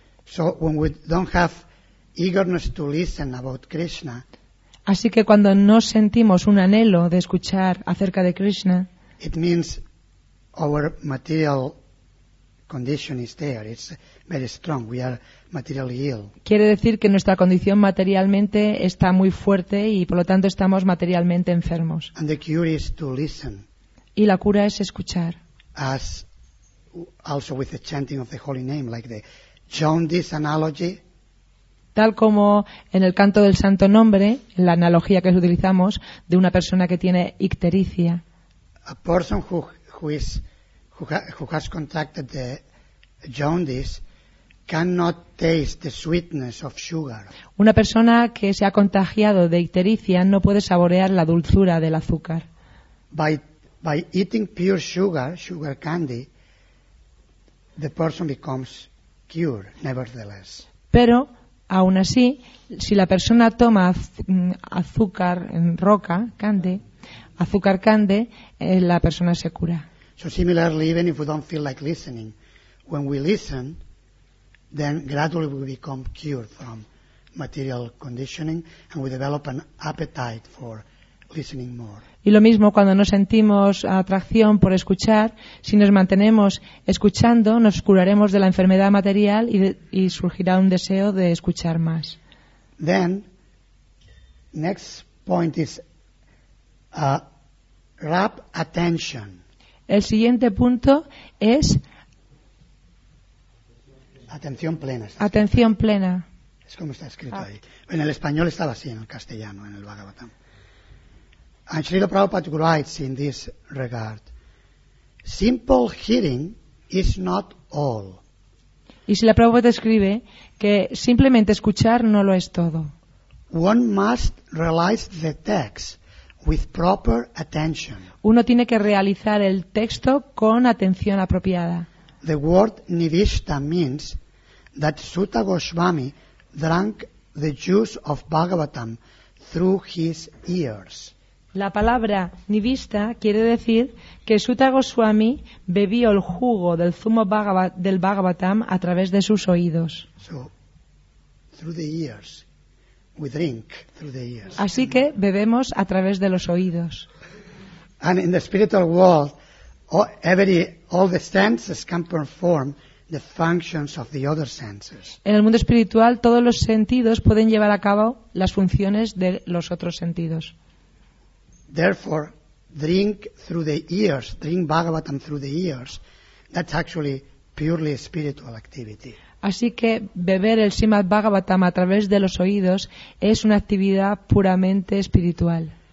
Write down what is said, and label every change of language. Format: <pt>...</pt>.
<en>So when we don't have eagerness to listen about Krishna.</en> <es>Así que cuando no sentimos un anhelo de escuchar acerca de Krishna,</es> <en>it means our material condition is there. It's very strong. We are materially ill.</en> <es>Quiere decir que nuestra condición materialmente está muy fuerte y por lo tanto estamos materialmente enfermos.</es> <en>And the cure is to listen.</en> <es>Y la cura es escuchar.</es> <en>As also with the chanting of the holy name, like the jaundice analogy.</en> <es>tal como en el canto del santo nombre, la analogía que utilizamos de una persona que tiene ictericia.</es> <en>A person who has contracted the jaundice cannot taste the sweetness of sugar.</en> <es>Una persona que se ha contagiado de ictericia no puede saborear la dulzura del azúcar.</es> <en>By eating pure sugar candy, the person becomes cured, nevertheless.</en> <es>Pero, aun así, si la persona toma azúcar en roca, candy, azúcar candy, la persona se cura.</es> <en>So similarly, even if we don't feel like listening, when we listen, then gradually we become cured from material conditioning and we develop an appetite for listening more.</en> <es>Y lo mismo cuando no sentimos atracción por escuchar, si nos mantenemos escuchando, nos curaremos de la enfermedad material y surgirá un deseo de escuchar más.</es> <en>Then, next point is rap attention.</en> <es>El siguiente punto es atención plena. Atención plena. Es como está escrito ahí. En el español estaba así, en el castellano, en el Bhagavatam.</es> <en>And Srila Prabhupada writes in this regard, simple hearing is not all.</en> <es>Y si la Prabhupada escribe que simplemente escuchar no lo es todo.</es> <en>One must realize the text with proper attention.</en> <es>Uno tiene que realizar el texto con atención apropiada.</es> <en>The word nivishta means that Sutta Goswami drank the juice of Bhagavatam through his ears.</en> <es>La palabra nivista quiere decir que Sutta Goswami bebió el jugo del zumo del Bhagavatam a través de sus oídos.</es> <en>So, through the ears. We drink through the ears.</en> <es>Así que bebemos a través de los oídos.</es> <en>And in the spiritual world, all the senses can perform the functions of the other senses.</en> <es>En el mundo espiritual, todos los sentidos pueden llevar a cabo las funciones de los otros sentidos.</es> <en>Therefore, drink through the ears, drink Bhagavatam through the ears, that's actually purely spiritual activity.</en> <es>Así que beber el Srimad Bhagavatam a través de los oídos es una actividad puramente espiritual.</es>